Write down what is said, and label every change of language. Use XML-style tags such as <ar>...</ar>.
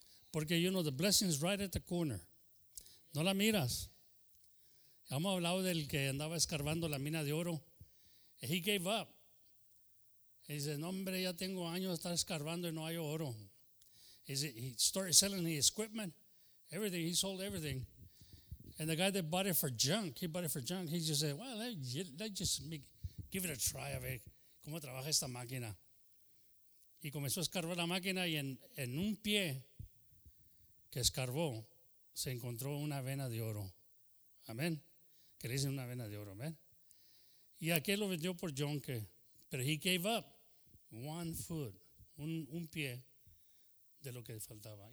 <en>Porque, you know, the blessing is right at the corner.</en> <es>No la miras. Hemos hablado del que andaba escarbando la mina de oro</es> <en>He gave up. He said,</en> <es>no, hombre, ya tengo años de estar escarbando y no hay oro.</es> <en>He started selling the equipment, everything. He sold everything. And the guy that bought it for junk, he just said, well, let's just give it a try.</en> <es>A ver cómo trabaja esta máquina. Y comenzó a escarbar la máquina y en un pie que escarbó, se encontró una vena de oro. Amén. Que le dicen una vena de oro. Amén. Y aquel lo vendió por junk. Pero</es> <en>he gave up one foot,</en> <es>un pie de lo que faltaba.</es>